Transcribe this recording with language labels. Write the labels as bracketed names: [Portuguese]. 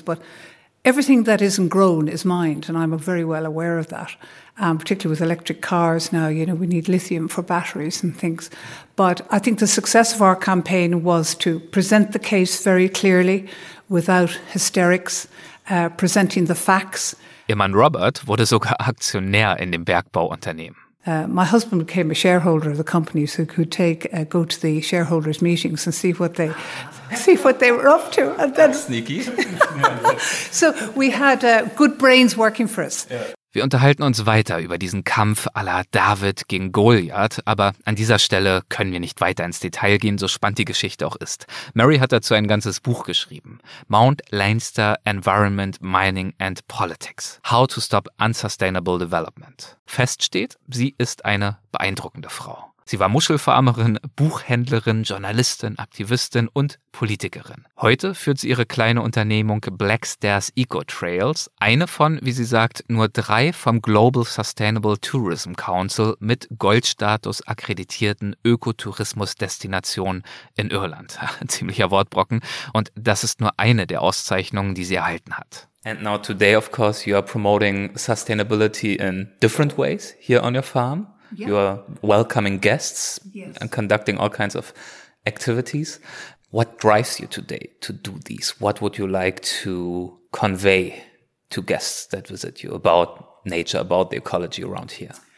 [English] But everything that isn't grown is mined, and I'm very well aware of that, particularly with electric cars now. You know, we need lithium for batteries and things. But I think the success of our campaign was to present the case very clearly without hysterics, presenting the facts. [German] Ihr Mann Robert wurde sogar Aktionär in dem Bergbauunternehmen. [English] My husband became a shareholder of the company, so he could go to the shareholders' meetings and see what they were up to. And then sneaky. So we had good brains working for us. Yeah. [German] Wir unterhalten uns weiter über diesen Kampf à la David gegen Goliath, aber an dieser Stelle können wir nicht weiter ins Detail gehen, so spannend die Geschichte auch ist. Mary hat dazu ein ganzes Buch geschrieben. Mount Leinster Environment, Mining and Politics. How to Stop Unsustainable Development. Fest steht, sie ist eine beeindruckende Frau. Sie war Muschelfarmerin, Buchhändlerin, Journalistin, Aktivistin und Politikerin. Heute führt sie ihre kleine Unternehmung Black Stairs Eco Trails, eine von, wie sie sagt, nur drei vom Global Sustainable Tourism Council mit Goldstatus akkreditierten Ökotourismusdestinationen in Irland. Ziemlicher Wortbrocken. Und das ist nur eine der Auszeichnungen, die sie erhalten hat. [English] And now today, of course, you are promoting sustainability in different ways here on your farm. Yeah. You are welcoming guests, yes, and conducting all kinds of activities. What drives you today to do these? What would you like to convey to guests that visit you about nature, about the ecology around here?